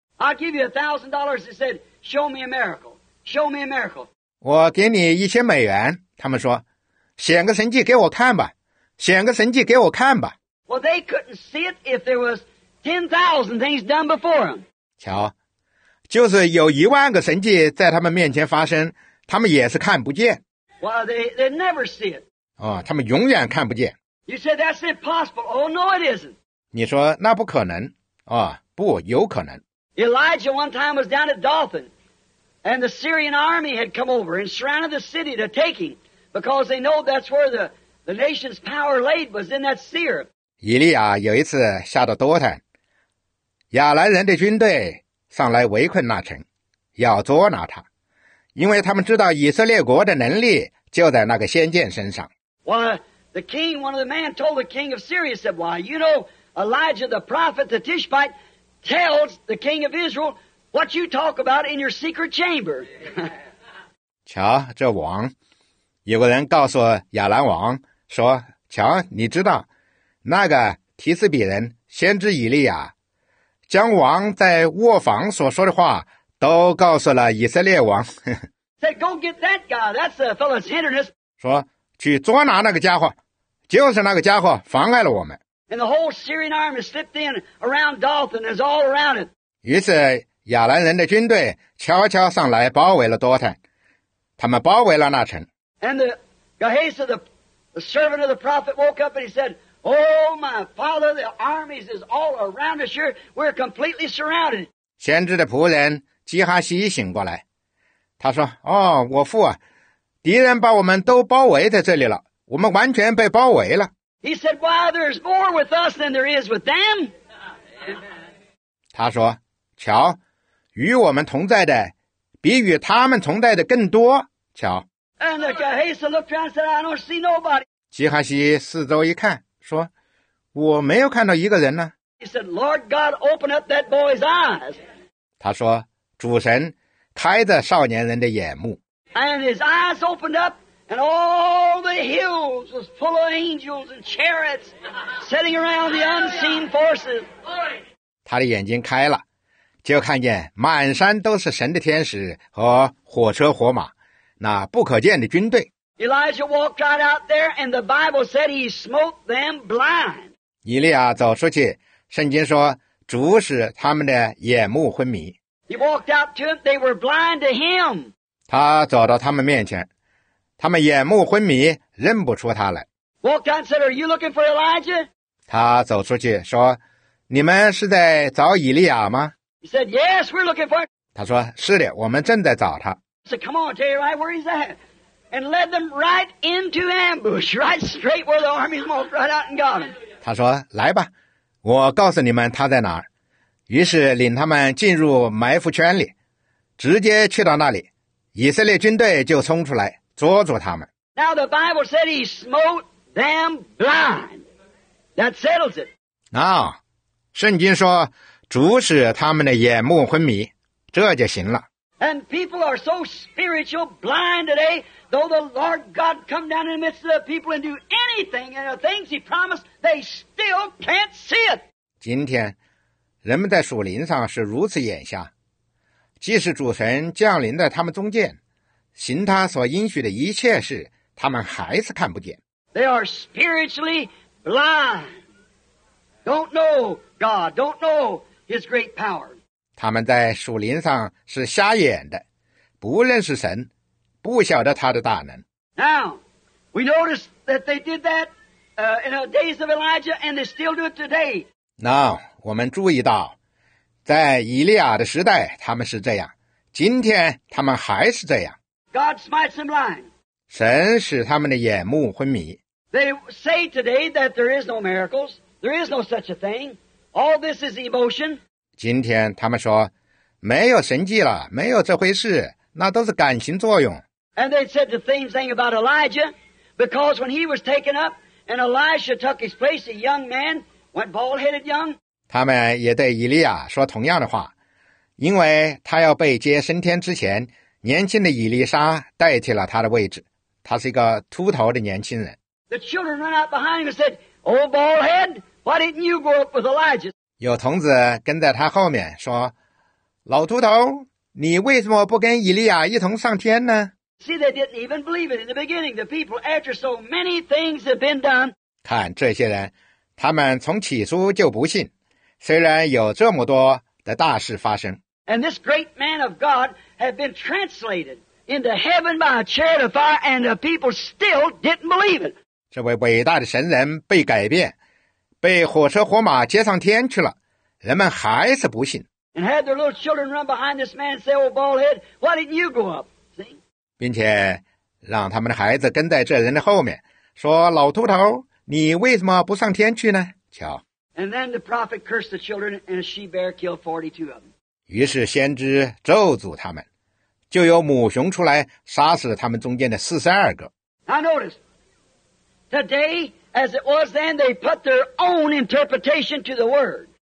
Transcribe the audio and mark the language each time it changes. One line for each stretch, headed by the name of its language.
English: I'll give you $1,000. They said, "Show me a miracle. Show me a miracle."
Chinese: 我给你$1,000。他们说，显个神迹给我看吧，显个神迹给我看吧。
English: Well, they couldn't see it if there was 10,000 things done before them.
Chinese: 瞧，就是有一万个神迹在他们面前发生，他们也是看不见。
English: Well, they never see it.
Chinese: 哦，他们永远看不见。
English: You said that's impossible. Oh, no, it isn't.
Chinese: 你说那不可能，哦，不，有可能。
English: Elijah one time was down at Dothan, and the Syrian army had come over and surrounded the city to take him, because they know that's where the nation's power laid was in that Seir.
Chinese: 以利亚有一次下到多坦，亚兰人的军队上来围困那城，要捉拿他，因为他们知道以色列国的能力就在那个先见身上。
English: Well, the king, one of the men told the king of Syria, said, why, you know, Elijah the prophet, the Tishbite,tells the king of Israel what you talk about in your secret chamber.
Chinese: 瞧，这王，有个人告诉亚兰王说，瞧，你知道，那个提斯比人先知以利亚，将王在卧房所说的话都告诉了以色列王。
English: Said, go get that guy, that's the fellow's hindrance.
Chinese: 说，去捉拿那个家伙，就是那个家伙妨碍了我们。
English: And the whole Syrian army slipped in around Dothan, is all around it.
Chinese: 于是亚兰人的军队悄悄上来包围了多坦，他们包围了那城。
English: And the Gehazi, the servant of the prophet, woke up and he said, "Oh my father, the armies is all around us here. We're completely surrounded."
Chinese: 先知的仆人基哈西醒过来，他说：“哦，我父啊，敌人把我们都包围在这里了，我们完全被包围了。”
English: He said, "Why, there's more with us than there is with them."
Chinese: 他说，瞧，与我们同在的比与他们同在的更多。瞧。
English: And the Gehazi looked around and said, "I don't see nobody."
Chinese: 基哈西四周一看，说，我没有看到一个人呢。
English: He said, "Lord God, open up that boy's eyes."
Chinese: 他说，主神开着少年人的眼目。
English: And his eyes opened up. And all the hills was full of angels and chariots sitting around the unseen forces.
Chinese: 他的眼睛开了，就看见满山都是神的天使和火车火马，那不可见的军队。
English: Elijah walked right out there, and the Bible said he smote them blind.
Chinese: 以利亚走出去，圣经说主使他们的眼目昏迷。 He walked out to them, they were blind to him. 他走到他们面前。他们眼目昏迷，认不出他来。
English: Walked out and said, "Are you looking for Elijah?"
Chinese: 他走出去说，你们是在找以利亚吗？
English: He said, "Yes, we're looking for him."
Chinese: 他说，是的，我们正在找他。
English: He said, "Come on, tell you right where he's at." And led them right into ambush, right straight where the army walked right out and got him.
Chinese: 他说，来吧，我告诉你们他在哪儿。于是领他们进入埋伏圈里，直接去到那里，以色列军队就冲出来。捉住他们。
English: Now the Bible said he smote them blind. That settles it.
Chinese: 啊，圣经说主使他们的眼目昏迷，这就行了。
English: And people are so spiritual blind today, though the Lord God come down in the midst of the people and do anything and the things he promised, they still can't see it.
Chinese: 今天，人们在属灵上是如此眼瞎，即使主神降临在他们中间。行他所应许的一切事，他们还是看不见。
English: They are spiritually blind. Don't know God. Don't know His great power.
Chinese: 他们在属灵上是瞎眼的，不认识神，不晓得他的大能。
English: Now, we notice that they did that in the days of Elijah, and they still do it today. Now,
Chinese: 我们注意到，在以利亚的时代，他们是这样，今天他们还是这样。
English: God smites them blind.
Chinese: 神使他们的眼目昏迷。
English: They say today that there is no miracles. There is no such a thing. All this is emotion.
Chinese: 今天他们说没有神迹了，没有这回事，那都是感情作用。
English: And they said the same thing about Elijah, because when he was taken up and Elisha took his place, a young man went bald-headed young.
Chinese: 他们也对以利亚说同样的话，因为他要被接升天之前。年轻的以利沙代替了他的位置，他是一个秃头的年轻人。
English: The children ran out behind him and said, "Old bald head, why didn't you grow up with Elijah?"
Chinese: 有童子跟在他后面说：“老秃头，你为什么不跟以利亚一同上天呢？”
English: See, they didn't even believe it in the beginning. The people, after so many things had been done,
Chinese: 看这些人，他们从起初就不信，虽然有这么多的大事发生。
English: And this great man of God had been translated into heaven by a chariot of fire, and the people still didn't believe it.
Chinese: 这位伟大的神人被改变，被火车火马接上天去了，人们还是不信。
English: And had their little children run behind this man and say, "Oh, bald head, why didn't you grow up?" See?
Chinese: 并且让他们的孩子跟在这人的后面，说：“老秃头，你为什么不上天去呢？” 瞧。
English: And then the prophet cursed the children, and a she-bear killed 42 of them.
Chinese: 于是先知咒诅他们，就有母熊出来杀死他们中间的42个。
English: I noticed today, as it was then, they put their own interpretation to the word.